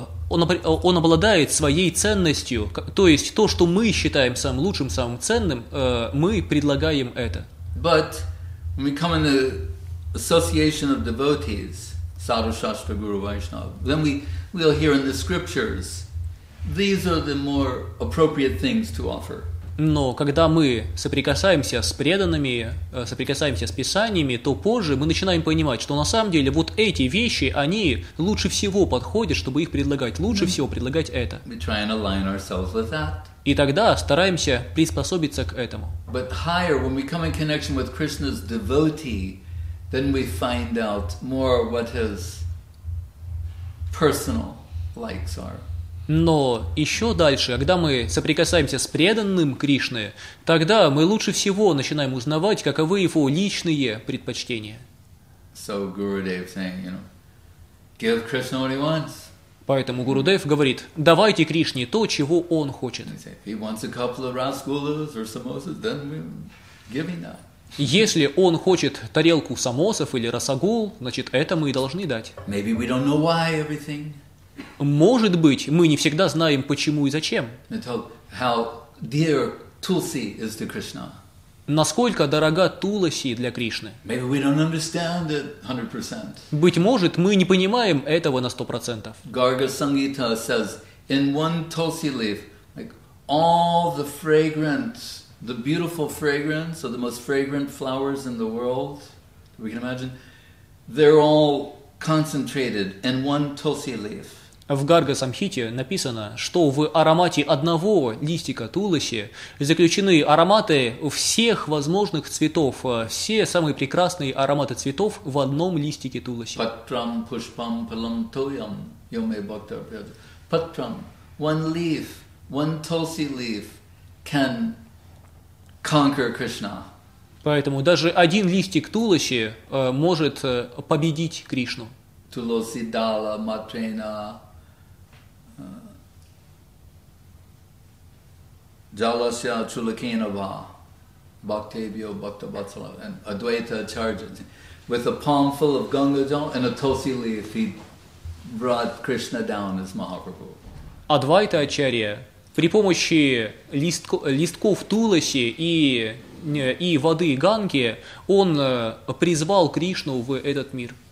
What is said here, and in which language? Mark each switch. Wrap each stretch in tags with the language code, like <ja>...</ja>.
<ru>Он обладает своей ценностью. То есть то, что мы считаем самым лучшим, самым ценным, мы предлагаем это.</ru> <en>But when we come in the association of devotees, Sadhu Shastra Guru Vaishnava, then we'll hear in the scriptures, these are the more appropriate things to offer.</en> <ru>Но когда мы соприкасаемся с преданными, соприкасаемся с писаниями, то позже мы начинаем понимать, что на самом деле вот эти вещи, они лучше всего подходят, чтобы их предлагать. Лучше всего предлагать это.</ru> <en>We try and align ourselves with that.</en> <ru>И тогда стараемся приспособиться к этому.</ru> <en>But higher, when we come in connection with Krishna's devotee, then we find out more what his personal likes are.</en> <ru>Но еще дальше, когда мы соприкасаемся с преданным Кришной, тогда мы лучше всего начинаем узнавать, каковы его личные предпочтения.</ru> <en>So Gurudev saying, you know, give Krishna what he wants.</en> <ru>Поэтому Гурудев говорит: давайте Кришне то, чего он хочет.</ru> <en>If he wants a couple of rasgullas or samosas, then we're giving that.</en> <ru>Если он хочет тарелку самосов или расагул, значит, это мы и должны дать.</ru> <en>Maybe we don't know why everything.</en> <ru>Может быть, мы не всегда знаем, почему и зачем.</ru> <en>How dear Tulsi is to Krishna.</en> <ru>Насколько дорога Туласи для Кришны.</ru> <en>Maybe we don't understand it 100%.</en> <ru>Быть может, мы не понимаем этого на 100%.</ru> <en>Garga Sangita says, in one Tulsi leaf, like all the fragrance, the beautiful fragrance of the most fragrant flowers in the world, we can imagine, they're all concentrated in one Tulsi leaf.</en> <ru>В Гарга-самхите написано, что в аромате одного листика туласи заключены ароматы всех возможных цветов, все самые прекрасные ароматы цветов в одном листике туласи.</ru> <sa>Патрам пушпам палам тоям йоме бхактар пьяджа.</sa> <en>Патрам, one leaf, one tulsi leaf can conquer Krishna.</en> <ru>Поэтому даже один листик туласи может победить Кришну.</ru> <sa>Туласи дала матрена Jalasya Chulakena Va Bhaktavyo Bhakta Batsala and Advaita Charja.</sa> <en>With a palm full of Ganga Jal and a Tulsi leaf, he brought Krishna down as Mahaprabhu.</en> <ru>Advaita Acharya, при помощи листков Туласи и воды Ганги, он призвал Кришну в этот мир.</ru>